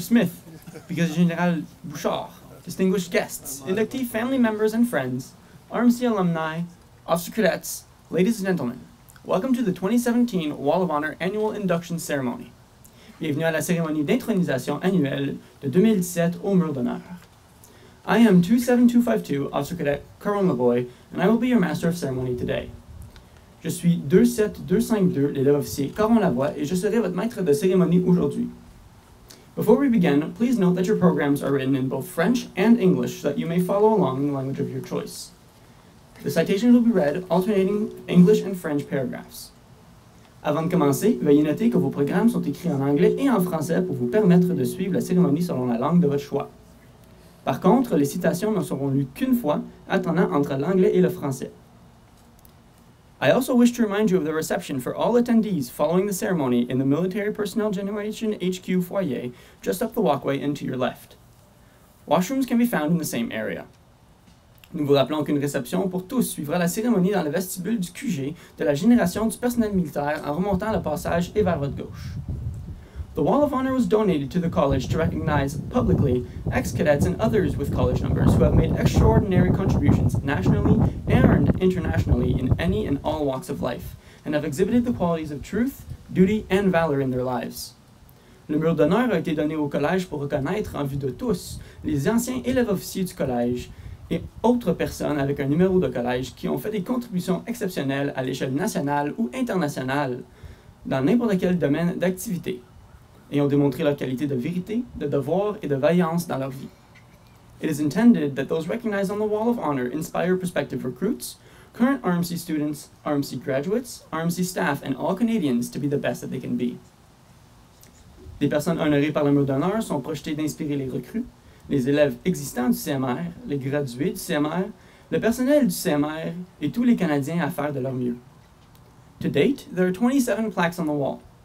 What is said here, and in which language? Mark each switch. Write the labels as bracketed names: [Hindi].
[English] Smith, Brigadier General Bouchard, distinguished guests, inductee family members and friends, RMC alumni, officer cadets, ladies and gentlemen, welcome to the 2017 Wall of Honor Annual Induction Ceremony. [French] Bienvenue à la cérémonie d'intronisation annuelle de 2017 au Mur d'Honneur. [English] I am 27252, Officer Cadet Carl Mavoy, and I will be your Master of Ceremony today. [French] Je suis 27252, l'élève officier Caron Lavoie, et je serai votre maître de cérémonie aujourd'hui. [English] Before we begin, please note that your programs are written in both French and English so that you may follow along in the language of your choice. The citations will be read, alternating English and French paragraphs. [French] Avant de commencer, veuillez noter que vos programmes sont écrits en anglais et en français pour vous permettre de suivre la cérémonie selon la langue de votre choix. Par contre, les citations ne seront lues qu'une fois, alternant entre l'anglais et le français. [English] I also wish to remind you of the reception for all attendees following the ceremony in the Military Personnel Generation HQ foyer, just up the walkway and to your left. Washrooms can be found in the same area. [French] Nous vous rappelons qu'une réception pour tous suivra la cérémonie dans le vestibule du QG de la génération du personnel militaire en remontant le passage et vers votre gauche. [English] The Wall of Honor was donated to the college to recognize publicly ex-cadets and others with college numbers who have made extraordinary contributions nationally and internationally in any and all walks of life, and have exhibited the qualities of truth, duty, and valor in their lives. [French] Le mur d'honneur a été donné au collège pour reconnaître en vue de tous les anciens élèves officiers du collège et autres personnes avec un numéro de collège qui ont fait des contributions exceptionnelles à l'échelle nationale ou internationale dans n'importe quel domaine d'activité, et ont démontré leur qualité de vérité, de devoir et de vaillance dans leur vie. [English] It is intended that those recognized on the Wall of Honor inspire prospective recruits, current RMC students, RMC graduates, RMC staff, and all Canadians to be the best that they can be. [French] Les personnes honorées par le mur d'honneur sont projetées d'inspirer les recrues, les élèves existants du CMR, les gradués du CMR, le personnel du CMR, et tous les Canadiens à faire de leur mieux. [English] To date, there are 27 plaques on the wall.